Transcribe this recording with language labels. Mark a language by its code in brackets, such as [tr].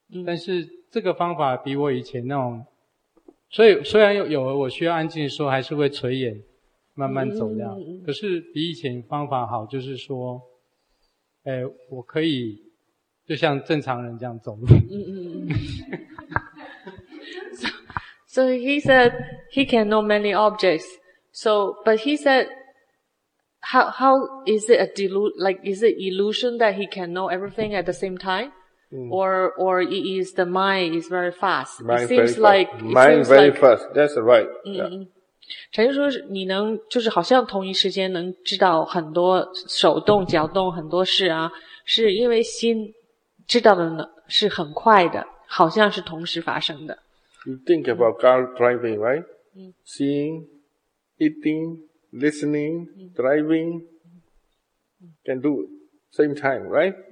[zh] 但是这个方法比我以前那种。所以虽然有我需要安静的时候还是会垂眼慢慢走掉，可是比以前方法好，就是说我可以就像正常人这样走路。 [en] So he said he can know many objects. So, but he said how is it is it illusion that he can know everything at the same time? Or it is the mind is very fast. Mind very fast. That's right. [zh] 陈师说你能就是好像同一时间能知道很多手动脚动很多事啊，是因为心知道的呢是很快的，好像是同时发生的。 [en] You think about car driving, right? Seeing, eating, listening, driving, can do it. Same time, right?